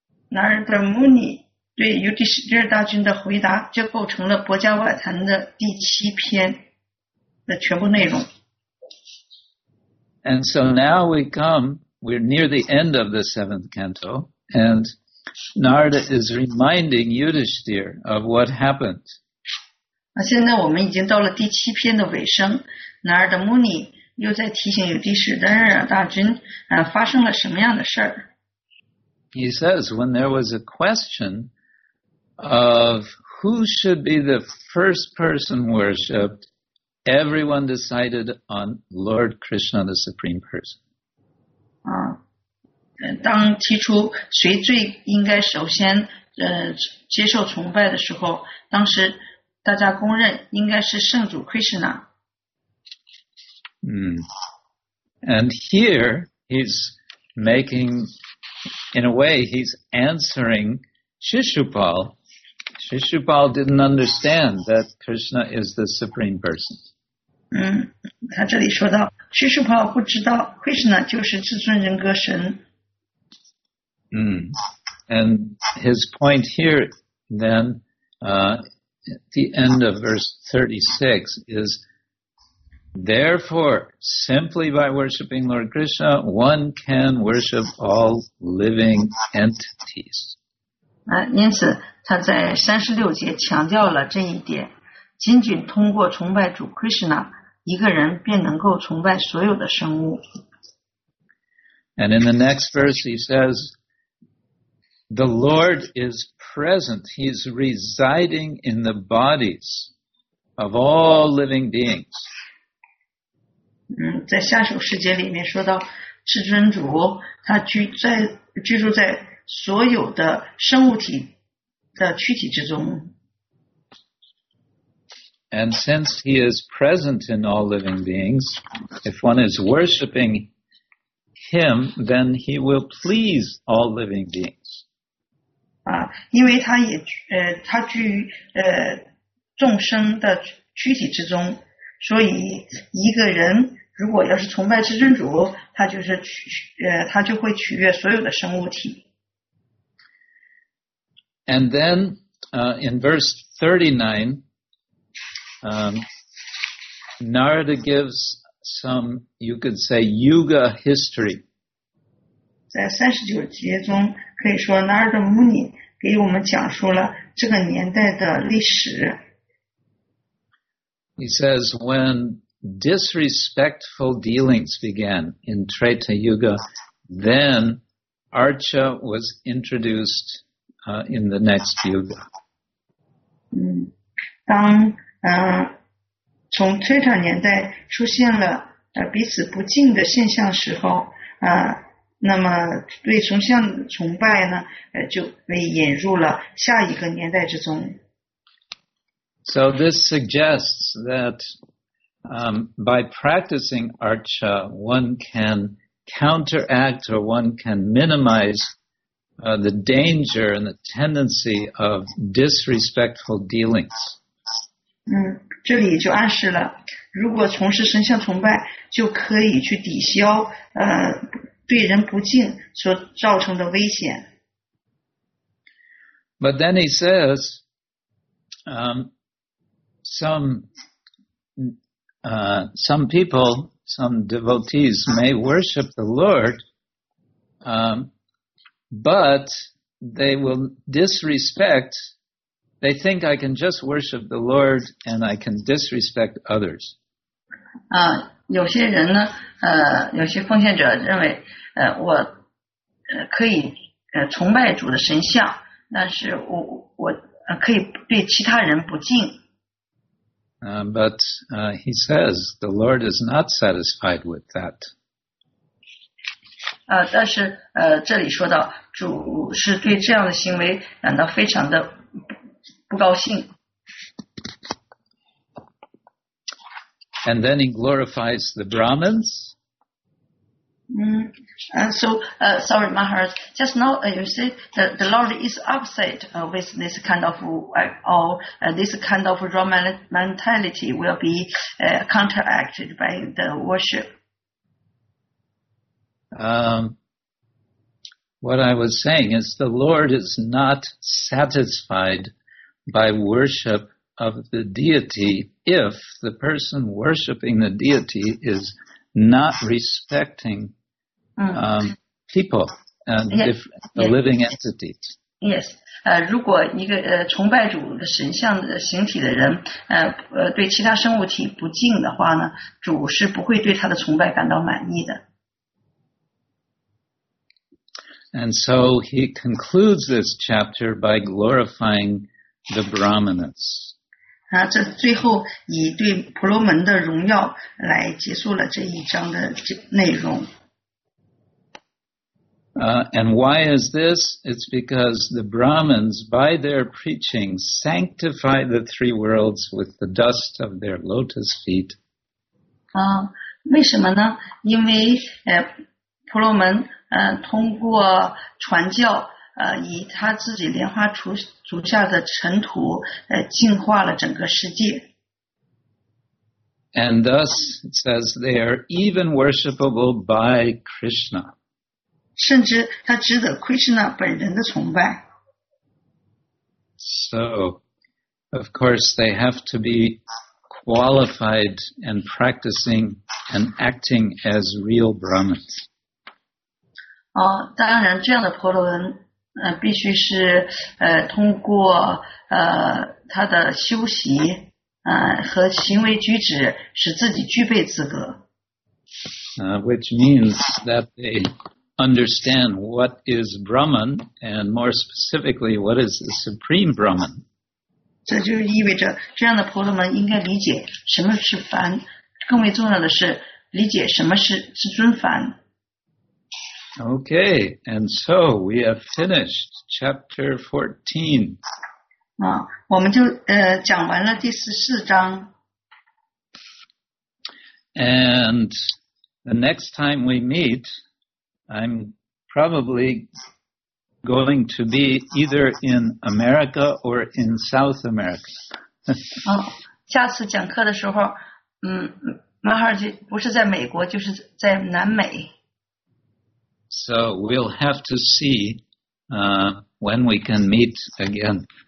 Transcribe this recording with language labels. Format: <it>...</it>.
<zh>Narada Muni 对 Yudhishthir 大君的回答就构成了薄伽瓦坛的第七篇的全部内容。</zh> <en>And so now we're near the end of the 7th canto, and Narada is reminding Yudhishthir of what happened.</en> <zh>现在我们已经到了第七篇的尾声 ,Narada Muni 又在提醒Yudhishthir大君发生了什么样的事儿。</zh> <en>He says, when there was a question of who should be the first person worshipped,Everyone decided on Lord Krishna, the Supreme Person.</en> <zh>当提出谁最应该首先接受崇拜的时候，当时大家公认应该是圣主 Krishna.</zh> <en>And here he's making, in a way, he's answering Shishupal. Shishupal didn't understand that Krishna is the Supreme Person.</en> <zh>他这里说到师叔婆不知道 Krishna 就是至尊人格神。</zh> <en>And his point here then, at the end of verse 36 is, therefore, simply by worshipping Lord Krishna, one can worship all living entities.</en> <zh>因此他在36节强调了这一点，仅仅通过崇拜主 Krishna,一个人便能够崇拜所有的生物。</zh> <en>And in the next verse he says, the Lord is present, he's residing in the bodies of all living beings.</en> <zh>在下首诗节里面说到至尊主他居住在所有的生物体的躯体之中。</zh> <en>And since he is present in all living beings, if one is worshipping him, then he will please all living beings.</en> <zh>啊，因为他也他居众生的躯体之中，所以一个人如果要是崇拜至尊主，他就是他就会取悦所有的生物体。</zh> <en>And then, in verse 39, Narada gives some, you could say, yuga history.</en> <zh>在39节中，可以说 Narada Muni 给我们讲述了这个年代的历史。</zh> <en>He says, when disrespectful dealings began in Treta Yuga, then Archa was introduced in the next yuga.</en> <zh>当从 Treta 年代出现了彼此不敬的现象时候，那么对崇像崇拜呢，就被引入了下一个年代之中。</zh> <en>So this suggests that by practicing archa, one can counteract or one can minimize the danger and the tendency of disrespectful dealings.</en> <zh>这里就暗示了，如果从事神像崇拜，就可以去抵消对人不敬所造成的危险。</zh> <en>But then he says, some people, some devotees may worship the Lord, but they will disrespect, they think I can just worship the Lord and I can disrespect others.</en> <zh>有些人呢，有些奉献者认为，我可以崇拜主的神像，但是我可以对其他人不敬。</zh> <en>But he says the Lord is not satisfied with that.</en> <zh>但是这里说到主是对这样的行为感到非常的不高兴。</zh> <en>And then he glorifies the Brahmins. Sorry, Maharaj. Just now, you say that the Lord is upset with this kind of this kind of wrong mentality will be counteracted by the worship. What I was saying is the Lord is not satisfied by worship of the deity if the person worshiping the deity is not respecting people and living entities.</en> <zh>Yes, 如果一个崇拜主的神像的形体的人，对其他生物体不敬的话呢，主是不会对他的崇拜感到满意的。</zh> <en>And so he concludes this chapter by glorifying the Brahmanas.</en> <zh>这最后以对婆罗门的荣耀来结束了这一章的内容。</zh> <en>And why is this? It's because the Brahmins, by their preaching, sanctify the three worlds with the dust of their lotus feet.</en> <zh>为什么呢？因为婆罗门通过传教以他自己莲花足下的尘土净化了整个世界。</zh> <en>And thus, it says, they are even worshipable by Krishna.</en> <zh>甚至他值得 Krishna 本人的崇拜。</zh> <en>So, of course, they have to be qualified and practicing and acting as real Brahmins.</en> <zh>当然，这样的婆罗门必须是通过他的修习和行为举止，使自己具备资格。</zh> <en>Which means that they. Understand what is Brahman, and more specifically, what is the Supreme Brahman.</en> <zh>这就意味着这样的婆罗门应该理解什么是梵，更为重要的是理解什么是至尊梵。</zh> <en>Okay, and so we have finished chapter 14.</en> <zh>我们就讲完了第14章。</zh> <en>And the next time we meet. I'm probably going to be either in America or in South America.</en> <zh>下次讲课的时候，Maharaji 不是在美国，就是在南美。</zh> <en>So we'll have to see, when we can meet again.</en>